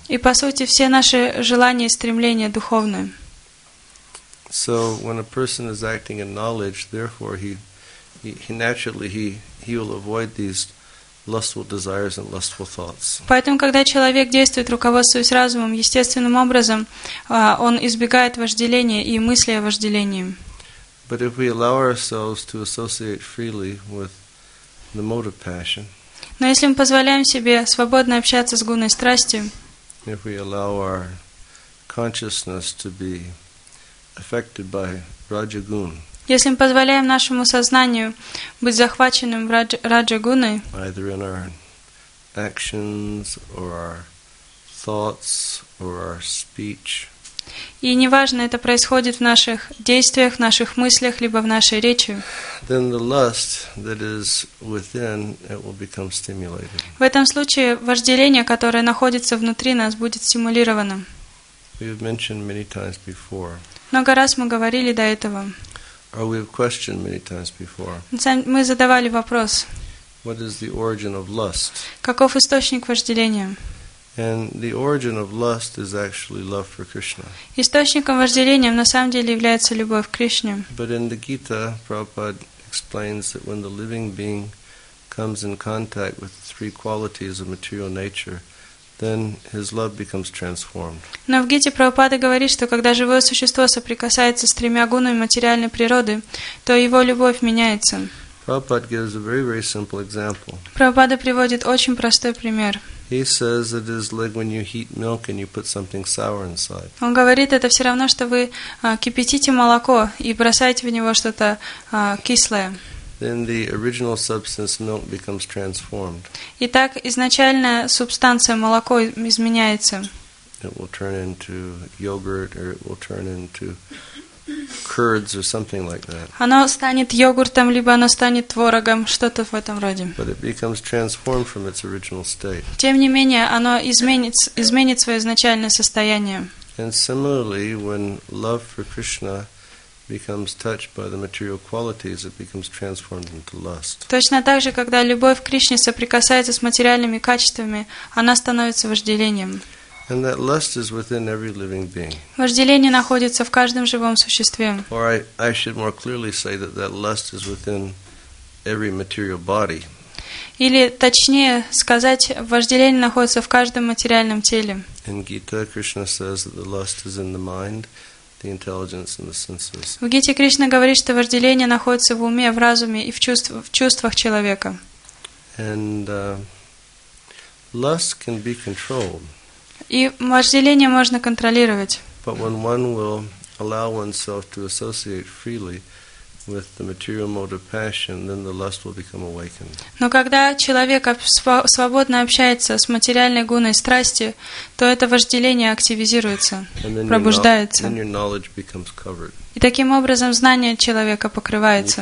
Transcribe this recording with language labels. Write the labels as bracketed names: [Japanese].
[Russian] И по сути все наши желания и стремления духовные. [English] So when a person is acting in knowledge, therefore he naturally will avoid these lustful desires and lustful thoughts. [Russian] Поэтому когда человек действует, руководствуясь разумом, естественным образом, он избегает вожделения и мысли о вожделении. [English] But if we allow ourselves to associate freely with the motive passion. [Russian] Но если мы позволяем себе свободно общаться с гуной страсти. [English] If we allow our consciousness to be affected by Rajagun. [Russian] Если мы позволяем нашему сознанию быть захваченным Раджа-гуной, [English] either in our actions or our thoughts or our speech. [Russian] И неважно, это происходит в наших действиях, в наших мыслях, либо в нашей речи. [English] Then the lust that is within, it will become stimulated. [Russian] В этом случае вожделение, которое находится внутри нас, будет стимулировано. [English] We have mentioned many times before. [Russian] Много раз мы говорили до этого. [English] Or we have questioned many times before. [Russian] Мы задавали вопрос. [English] What is the origin of lust? [Russian] Каков источник вожделения? [English] And the origin of lust is actually love for Krishna. [Russian] Источником вожделения на самом деле является любовь к Кришне. [English] But in the Gita, Prabhupada explains that when the living being comes in contact with the three qualities of material nature, then his love becomes transformed. [Russian] Но в Гите Прабхупада говорит, что когда живое существо соприкасается с тремя гунами материальной природы, то его любовь меняется. [English] Prabhupada gives a very, very simple example. [Russian] Прабхупада приводит очень простой пример. [English] He says it is like when you heat milk and you put something sour inside. [Russian] Он говорит, это все равно, что вы кипятите молоко и бросаете в него что-то кислое. [English] Then the original substance milk becomes transformed. [Russian] Итак, изначальная субстанция молоко изменяется. [English] It will turn into yogurt or it will turn into curds or something like that. [Russian] Оно станет йогуртом, либо оно станет творогом, что-то в этом роде. [English] But it becomes transformed from its original state. [Russian] Тем не менее, оно изменит свое изначальное состояние. [English] And similarly, when love for Krishna becomes touched by the material qualities, it becomes transformed into lust. [Russian] Точно так же, когда любовь к Кришне соприкасается с материальными качествами, она становится вожделением. [English] And that lust is within every living being. [Russian] Вожделение находится в каждом живом существе. [English] Or I should more clearly say that that lust is within every material body. [Russian] Или точнее сказать, вожделение находится в каждом материальном теле. [English] In Gita, Krishna says that the lust is in the mind, the intelligence, and the senses. [Russian] В Гите Кришна говорит, что вожделение находится в уме, в разуме и в чувствах человека. [English] And lust can be controlled. [Russian] И вожделение можно контролировать. [English] But when one will allow oneself to associate freely with the material mode of passion, then the lust will become awakened. [Russian] Но когда человек свободно общается с материальной гуной страсти, то это вожделение активизируется, пробуждается. [English] And then your knowledge becomes covered. [Russian] И таким образом знание человека покрывается.